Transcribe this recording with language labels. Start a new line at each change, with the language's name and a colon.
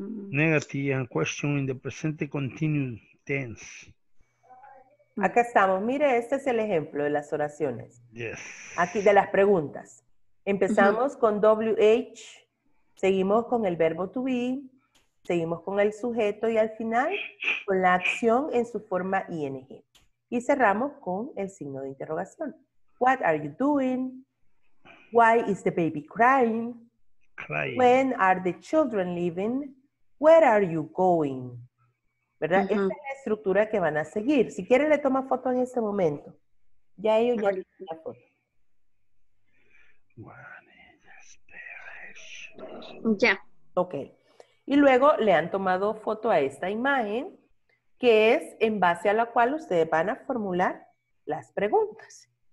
English: Negative and question in the present continuous tense.
Spanish: Acá estamos. Mire, este es el ejemplo de las oraciones.
English: Yes.
Spanish: Aquí de las preguntas. Empezamos con WH, seguimos con el verbo to be, seguimos con el sujeto y al final con la acción en su forma ing. Y cerramos con el signo de interrogación.
English: What are you doing? Why is the baby crying? Crying. When are the children leaving? Where are you going?
Spanish: ¿Verdad?
English: Uh-huh.
Spanish: Esta es la estructura que van a seguir. Si quiere, le toma foto en este momento. Ya ellos ya le hicieron la foto.
English: One in desperation.
Spanish: Ya.
English: Yeah. Ok.
Spanish: Y luego le han tomado foto a esta imagen, que es en base a la cual ustedes van a formular las preguntas.